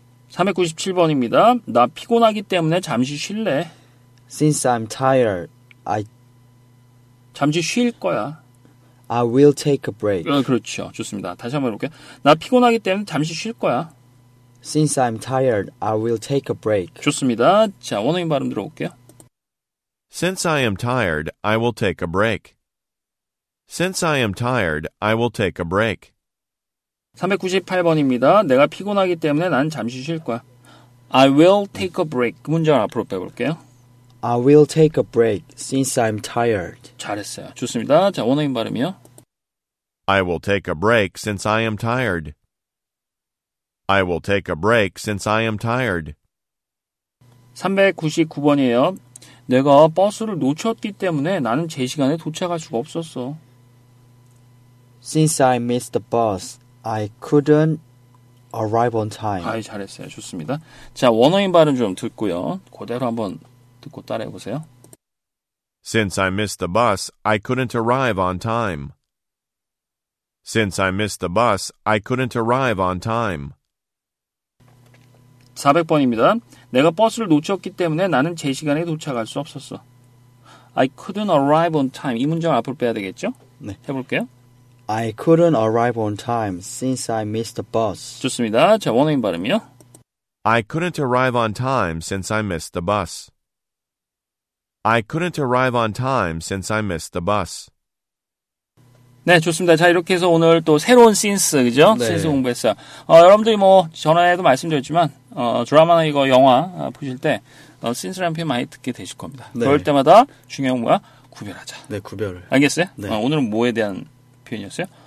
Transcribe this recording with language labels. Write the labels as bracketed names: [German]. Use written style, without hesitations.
[Korean] 397번입니다. 나 피곤하기 때문에 잠시 쉴래. [English] Since I'm tired, I... [Korean] 잠시 쉴 거야. [English] I will take a break. [Korean] 그렇죠. 좋습니다. 다시 한번 해볼게요. 나 피곤하기 때문에 잠시 쉴 거야. [English] Since I'm tired, I will take a break. [Korean] 좋습니다. 자, 원어민 발음 들어볼게요. [English] Since I am tired, I will take a break. Since I am tired, I will take a break. [Korean] 398번입니다. 내가 피곤하기 때문에 난 잠시 쉴 거야. [English] I will take a break. [Korean] 그 문장을 앞으로 빼볼게요. [English] I will take a break since I'm tired. [Korean] 잘했어요. 좋습니다. 자, 원어민 발음이요. [English] I will take a break since I am tired. I will take a break since I am tired. [Korean] 399번이에요. 내가 버스를 놓쳤기 때문에 나는 제시간에 도착할 수가 없었어. [English] Since I missed the bus, I couldn't arrive on time. [Korean] 아이, 잘했어요. 좋습니다. 자, 원어민 발음 좀 듣고요. 그대로 한번 듣고 따라해보세요. [English] Since I missed the bus, I couldn't arrive on time. Since I missed the bus, I couldn't arrive on time. [Korean] 400번입니다. 내가 버스를 놓쳤기 때문에 나는 제시간에 도착할 수 없었어. [English] I couldn't arrive on time. [Korean] 이 문장 앞으로 빼야 되겠죠? 네. 해볼게요. [English] I couldn't arrive on time since I missed the bus. [Korean] 좋습니다. 자, 원어민 발음이요. [English] I couldn't arrive on time since I missed the bus. I couldn't arrive on time since I missed the bus. [Korean] 네, 좋습니다. 자, 이렇게 해서 오늘 또 새로운 신스, 그죠? 네. 신스 공부했어요. 여러분들이 뭐 전에도 말씀드렸지만 드라마나 이거 영화 보실 때 신스라는 표현 많이 듣게 되실 겁니다. 네. 그럴 때마다 중요한 건 뭐야? 구별하자. 네, 구별을. 알겠어요? 네. 오늘은 뭐에 대한 표현이었어요?